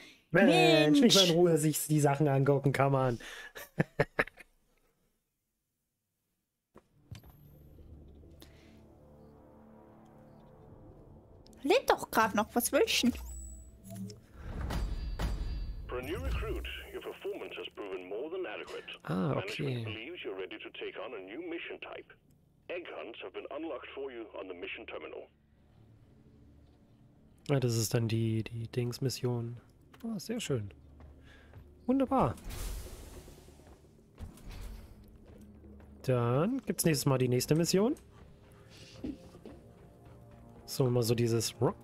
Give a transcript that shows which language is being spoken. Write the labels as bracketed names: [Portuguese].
[German] Mensch, nicht mal in Ruhe sich die Sachen angucken, kann man. Lädt doch gerade noch was wünschen. [English] For a new recruit, your performance has proven more than adequate. [German] Ah, okay. [English] Management believes you're ready to take on a new mission type. Egg hunts have been unlocked for you on the mission terminal. [German] Ja, das ist dann die Dings-Mission. Oh, sehr schön. Wunderbar. Dann gibt's nächstes Mal die nächste Mission. So, mal so dieses.